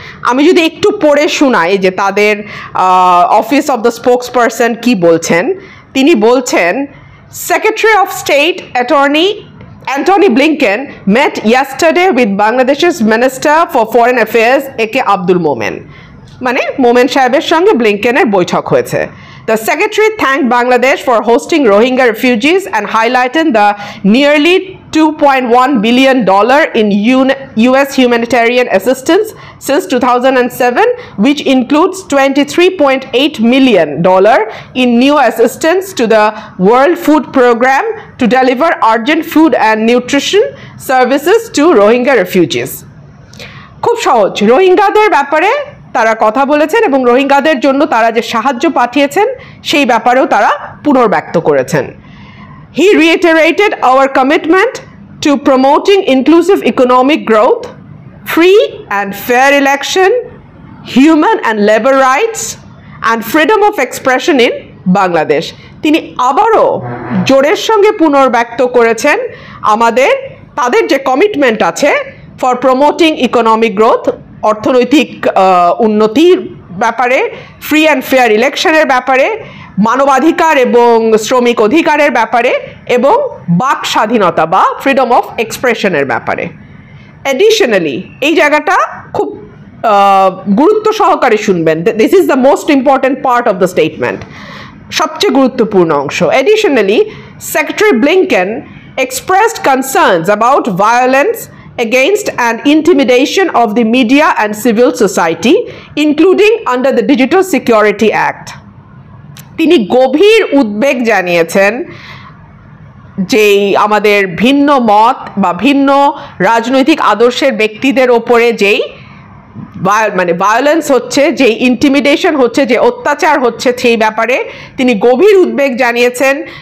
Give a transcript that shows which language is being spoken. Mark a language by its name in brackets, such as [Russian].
[Bangla] আমি যদি একটু পড়ে শোনাই যে তাদের office of the spokes person কী বলছেন, তিনি বলছেন, [English] secretary of state attorney Antony Blinken met yesterday with বাংলাদেশের minister for foreign affairs [Bangla] একে আব্দুল মোমেন, মানে মোমেন সাহেবের সঙ্গে ব্লিংকেনের বৈঠক হয়েছে। [English] The secretary thanked Bangladesh for hosting Rohingya refugees and highlighted the nearly $2.1 billion in U.S. humanitarian assistance since 2007, which includes $23.8 million in new assistance to the World Food Program to deliver urgent food and nutrition services to Rohingya refugees. [Bangla] খুব সহজ, রোহিঙ্গাদের ব্যাপারে তারা কথা বলেছেন এবং রোহিঙ্গাদের জন্য তারা যে সাহায্য পাঠিয়েছেন সেই ব্যাপারেও তারা পুনর্ব্যক্ত করেছেন। [English] He reiterated our commitment to promoting inclusive economic growth, free and fair election, human and labour rights and freedom of expression in Bangladesh. [Bangla] তিনি আবারও জোরের সঙ্গে পুনর্ব্যক্ত করেছেন আমাদের, তাদের যে কমিটমেন্ট আছে [English] for promoting economic growth, [Bangla] অর্থনৈতিক উন্নতির ব্যাপারে, ফ্রি অ্যান্ড ফেয়ার ইলেকশনের ব্যাপারে, মানবাধিকার এবং শ্রমিক অধিকারের ব্যাপারে, এবং বাক স্বাধীনতা বা ফ্রিডম অফ এক্সপ্রেশনের ব্যাপারে। অ্যাডিশনালি, এই জায়গাটা খুব গুরুত্ব সহকারে শুনবেন, [English] this is the most important part of the statement, [Bangla] সবচেয়ে গুরুত্বপূর্ণ অংশ। [English] Additionally, secretary Blinken expressed concerns about violence against and intimidation of the media and civil society, including under the Digital Security Act. [Bangla] তিনি গভীর উদ্বেগ জানিয়েছেন যে আমাদের ভিন্ন মত বা ভিন্ন রাজনৈতিক আদর্শের ব্যক্তিদের ওপরে যেই মানে ভায়োলেন্স হচ্ছে, যে ইন্টিমিডেশন হচ্ছে, যে অত্যাচার হচ্ছে, সেই ব্যাপারে তিনি গভীর উদ্বেগ জানিয়েছেন।